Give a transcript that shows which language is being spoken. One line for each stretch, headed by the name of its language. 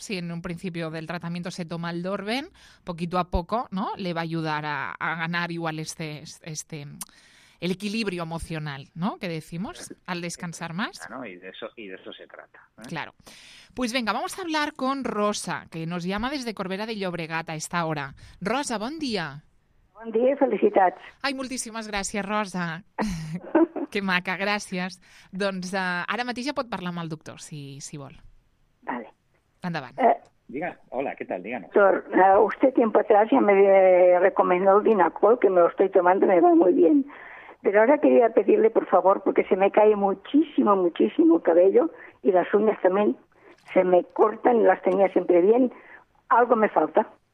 Spanish: Si en un principio del tratamiento se toma el Dorven, poquito a poco, ¿no?, le va a ayudar a ganar igual este el equilibrio emocional, ¿no?, que decimos, al descansar más. Claro, y de eso se trata, ¿eh? Claro. Pues venga, vamos a hablar con Rosa, que nos llama desde Corbera de Llobregat a esta hora.
Catalan: Rosa, bon dia. Bon dia, felicitats. Ai, moltíssimes gràcies, Rosa. Que maca, gràcies. Doncs ara mateix ja pot parlar amb el doctor, si vol. Vale. Endavant.
Spanish: Diga, hola, ¿qué tal? Díganos. Doctor, usted tiempo atrás ya me recomendó el Dinacol, que me lo estoy tomando, me va muy bien. Pero ahora quería pedirle, por favor, porque se me cae muchísimo, muchísimo el cabello y las uñas también se me cortan, las tenía siempre bien. Algo me falta.